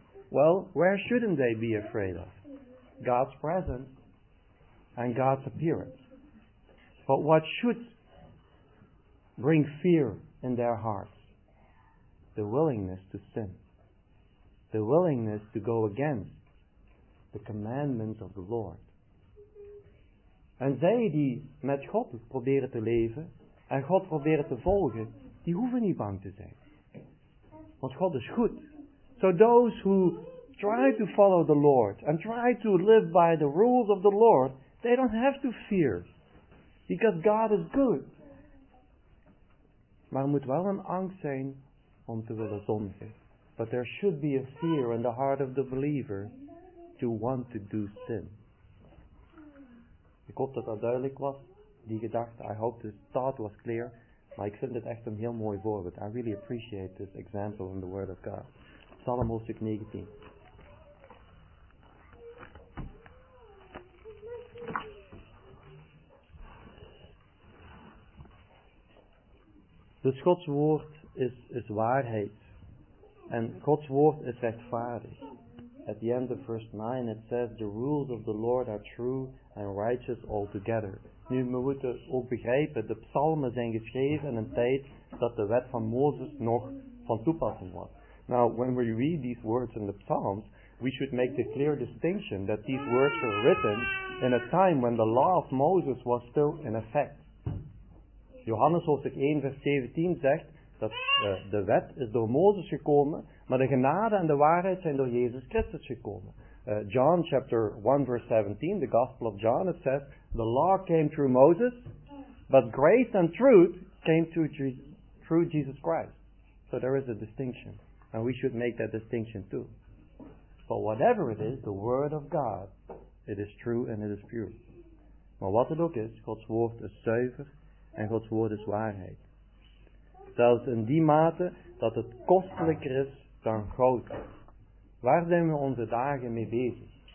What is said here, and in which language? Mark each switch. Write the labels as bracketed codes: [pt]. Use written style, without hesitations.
[en] Well, where shouldn't they be afraid of? God's presence and God's appearance. But what should bring fear in their hearts? The willingness to sin. The willingness to go against the commandments of the Lord. [nl] En zij die met God proberen te leven en God proberen te volgen, die hoeven niet bang te zijn. Want God is goed. [en] So those who try to follow the Lord and try to live by the rules of the Lord, they don't have to fear. Because God is good. [nl] Maar er moet wel een angst zijn om te willen zondigen. [en] But there should be a fear in the heart of the believer to want to do sin. [nl] Ik hoop dat dat duidelijk was. Die gedachte, [en] I hope this thought was clear. [nl] Maar ik vind het echt een heel mooi voorbeeld. [en] I really appreciate this example in the Word of God. [nl] Psalm hoofdstuk 19. Dus Gods woord is waarheid. En Gods woord is rechtvaardig. [en] At the end of verse 9 it says, the rules of the Lord are true and righteous altogether. [nl] Nu, we moeten ook begrijpen, de psalmen zijn geschreven in een tijd dat de wet van Mozes nog van toepassing was. [en] Now, when we read these words in the psalms, we should make the clear distinction that these words were written in a time when the law of Moses was still in effect. [nl] Johannes hoofdstuk 1 vers 17 zegt dat de wet is door Mozes gekomen, maar de genade en de waarheid zijn door Jezus Christus gekomen. [en] John chapter 1 verse 17, the Gospel of John, it says, the law came through Moses, but grace and truth came through Jesus Christ. So there is a distinction, and we should make that distinction too. But whatever it is, the word of God, it is true and it is pure. [nl] Maar wat het ook is, Gods woord is zuiver en Gods woord is waarheid. Zelfs in die mate dat het kostelijker is dan goud. Waar zijn we onze dagen mee bezig?